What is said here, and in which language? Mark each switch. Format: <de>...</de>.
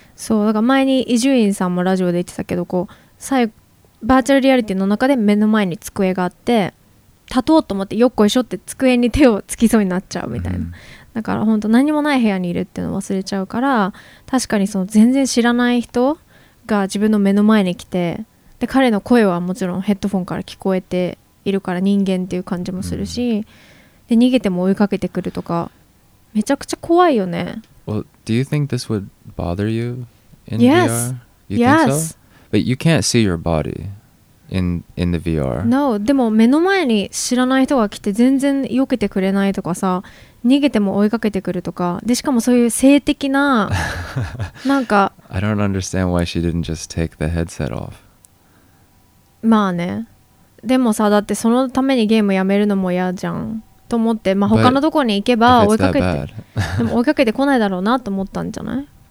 <ja>そう、だから前に伊集院さんもラジオで言ってたけど、こう最後バーチャルリアリティの中で目の前に机があって、立とうと思ってよっこいしょって机に手をつきそうになっちゃうみたいな、だから本当何もない部屋にいるっていうのを忘れちゃうから、確かにその全然知らない人が自分の目の前に来て、で彼の声はもちろんヘッドフォンから聞こえているから人間っていう感じもするし、で逃げても追いかけてくるとかめちゃくちゃ怖いよね。</ja> <en>Well, do you think this would bother you in yes. VR? You yes. think so? But you can't see your body in the VR.</en> <ja>No, でも目の前に知らない人が来て全然避けてくれないとかさ、逃げても追いかけてくるとか、でしかもそういう性的な、なんか。</ja> <en>I don't understand why she didn't just take the headset off.</en> <ja>まあね。でもさ、だってそのためにゲームやめるのも嫌じゃん。と思って、まあ他のとこに行けば追いかけて、でも追いかけてこないだろうなと思ったんじゃない?</ja>